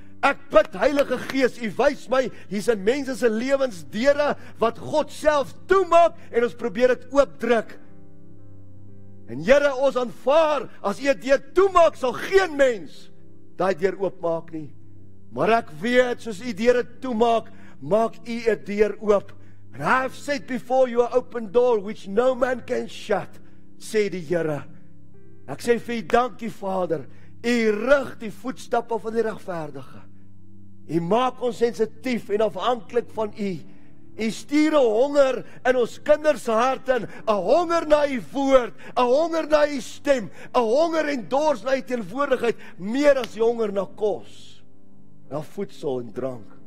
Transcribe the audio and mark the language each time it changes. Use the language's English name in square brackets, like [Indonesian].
[Afrikaans] Ek bid Heilige Gees, u wys my, hier's 'n mense se lewens deure wat God self toemaak en ons probeer dit oopdruk. En Here, ons aanvaar, as u deur toemaak sal geen mens daai deur oopmaak nie. Maar ek weet, soos u deure toemaak, maak u 'n deur oop. [English] And I have set before you an open door which no man can shut, [Afrikaans] sê die Here. Ek sê vir u dankie Vader, u rig die voetstappe van die regverdige. U maak ons sensitief en afhanklik van u. U stuur 'n honger in ons kinders harte, 'n honger na u woord, 'n honger na u stem, 'n honger en dors na u teenwoordigheid, meer as die honger na kos, na voedsel en drank.